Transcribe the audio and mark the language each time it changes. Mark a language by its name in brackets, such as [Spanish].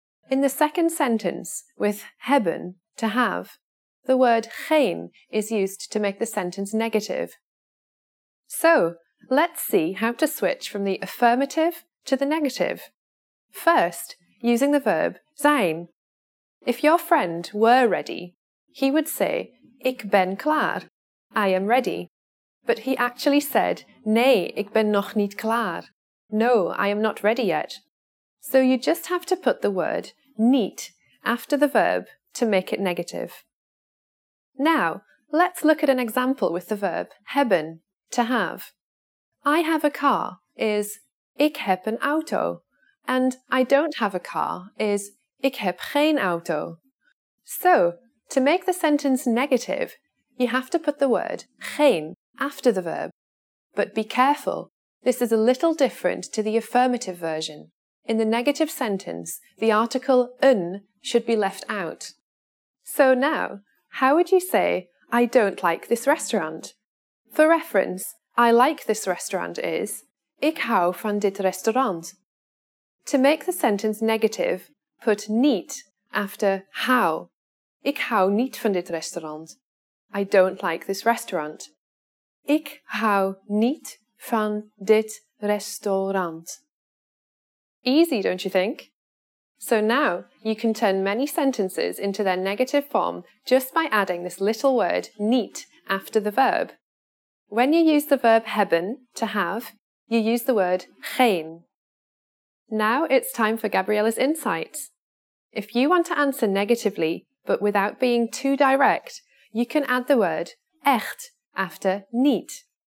[English] In the second sentence, with hebben, to have, the word geen is used to make the sentence negative. So, let's see how to switch from the affirmative to the negative. First, using the verb zijn. If your friend were ready, he would say, [Dutch] Ik ben klaar. [English] I am ready. But he actually said, [Dutch] Nee, ik ben nog niet klaar. [English] No, I am not ready yet. So you just have to put the word niet after the verb to make it negative. Now, let's look at an example with the verb hebben, to have. I have a car is [Dutch] Ik heb een auto, [English] and I don't have a car is [Dutch] Ik heb geen auto. [English] So, to make the sentence negative, you have to put the word geen after the verb. But be careful, this is a little different to the affirmative version. In the negative sentence, the article een should be left out. So now, how would you say I don't like this restaurant? For reference, I like this restaurant is [Dutch] Ik hou van dit restaurant. [English] To make the sentence negative, put niet after hou. [Dutch] Ik hou niet van dit restaurant. [English] I don't like this restaurant. [Dutch] Ik hou niet van dit restaurant. [English] Easy, don't you think? So now, you can turn many sentences into their negative form just by adding this little word niet after the verb. When you use the verb hebben, to have, you use the word geen. Now it's time for Gabriella's insights. If you want to answer negatively, but without being too direct, you can add the word echt after niet.